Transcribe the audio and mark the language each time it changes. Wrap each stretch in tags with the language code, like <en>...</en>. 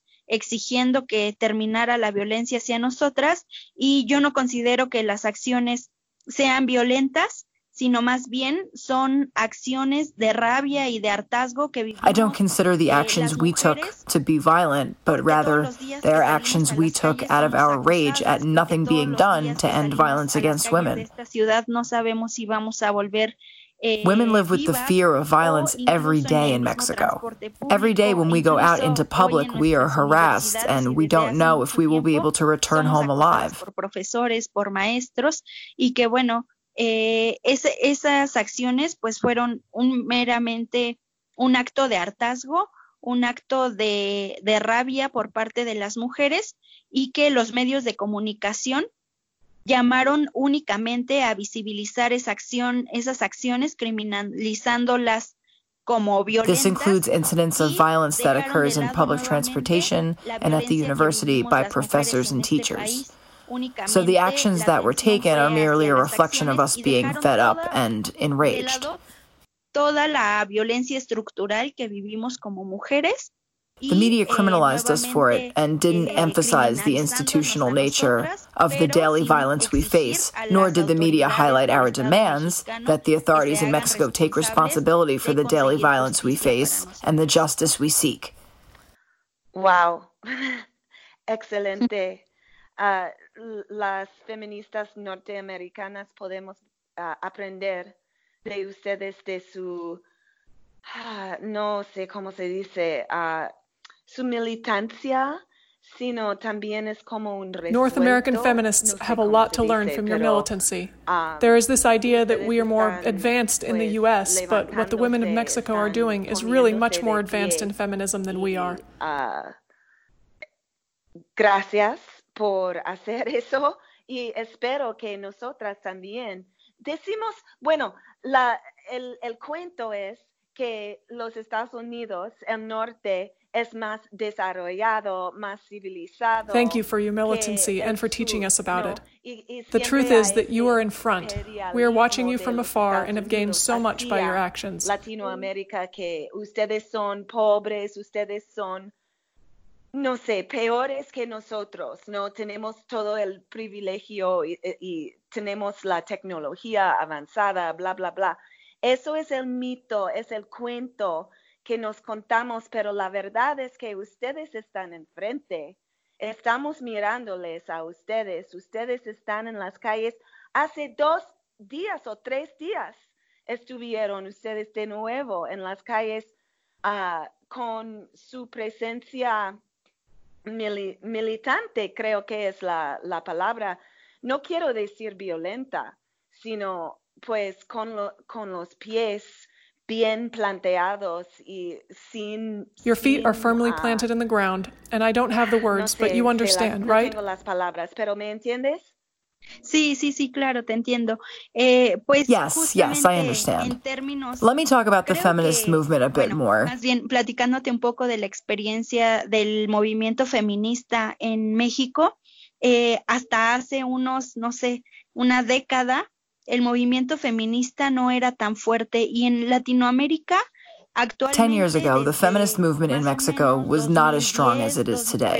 <es>Exigiendo que terminara la violencia hacia nosotras, y yo no considero que las acciones sean violentas, sino más bien son acciones de rabia y de hartazgo que vivimos.</es> <en>I don't consider the actions we took to be violent, but rather they are actions we took out of our rage at nothing being done to end violence against women.</en> <es>En esta ciudad no sabemos si vamos a volver.</es> <en>Women live with the fear of violence every day in Mexico. Every day when we go out into public, we are harassed, and we don't know if we will be able to return home alive.</en> <es>Por profesores, por maestros, y que bueno, esas acciones pues fueron meramente un acto de hartazgo, un acto de rabia por parte de las mujeres, y que los medios de comunicación llamaron únicamente a visibilizar esas acciones, criminalizándolas como violentas.</es> <en>This includes incidents of violence that occurs in public transportation and at the university by professors and teachers. So the actions that were taken are merely a reflection of us being fed up and enraged.</en> <es>Toda la violencia estructural que vivimos como mujeres.</es> <en>The media criminalized us for it and didn't emphasize the institutional nature of the daily violence we face, nor did the media highlight our demands that the authorities in Mexico take responsibility for the daily violence we face and the justice we seek.</en> <es>Wow. Excelente. Las feministas norteamericanas podemos aprender de ustedes de su, no sé cómo se dice, su militancia, sino también es como un respuesta.</es> <en>North American feminists have a lot to learn from your militancy. There is this idea that we are more advanced in the U.S., but what the women of Mexico are doing is really much more advanced in feminism than we are.</en> <es>Gracias por hacer eso, y espero que nosotras también decimos, bueno, el cuento es que los Estados Unidos, el norte, es más desarrollado, más civilizado.</es> <en>Thank you for your militancy and for teaching us about it. The truth is that you are in front. We are watching you from afar and have gained so much by your actions.</en> <es>Latinoamérica, que ustedes son pobres, ustedes son, no sé, peores que nosotros, ¿no? Tenemos todo el privilegio y tenemos la tecnología avanzada, bla, bla, bla. Eso es el mito, es el cuento que nos contamos, pero la verdad es que ustedes están enfrente. Estamos mirándoles a ustedes. Ustedes están en las calles. Hace 2 días o 3 días estuvieron ustedes de nuevo en las calles con su presencia militante, creo que es la palabra. No quiero decir violenta, sino pues con los pies bien planteados y sin...</es> <en>Your feet are firmly planted in the ground, and I don't have the words,</en> <es>no sé,</es> <en>but you understand, right?</en> <es>No tengo las palabras, pero ¿me entiendes? Sí, sí, sí, claro, te entiendo. Pues</es> <en>yes, I understand.</en> <es>En términos,</es> <en>let me talk about the feminist movement a bit more.</en> <es>Más bien, platicándote un poco de la experiencia del movimiento feminista en México, hasta hace unos, no sé, una década, el movimiento feminista no era tan fuerte, y en Latinoamérica actualmente...</es> <en>10 years ago, the feminist movement in Mexico was not as strong as it is today.</en>